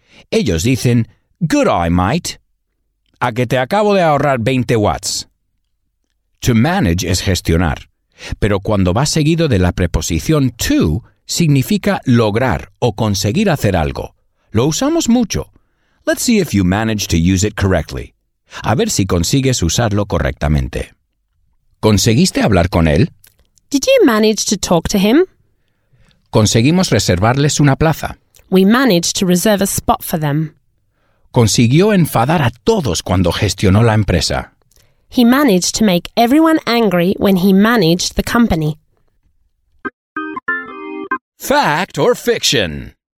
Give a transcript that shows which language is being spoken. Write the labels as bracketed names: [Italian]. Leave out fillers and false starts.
[Spanish] Ellos dicen [English] good eye, mate, [Spanish] a que te acabo de ahorrar 20 watts. To manage es gestionar, pero cuando va seguido de la preposición to, significa lograr o conseguir hacer algo. Lo usamos mucho. [English] Let's see if you manage to use it correctly. [Spanish] A ver si consigues usarlo correctamente. ¿Conseguiste hablar con él? [English] Did you manage to talk to him? [Spanish] Conseguimos reservarles una plaza. [English] We managed to reserve a spot for them. [Spanish] Consiguió enfadar a todos cuando gestionó la empresa. [English] He managed to make everyone angry when he managed the company. Fact or fiction?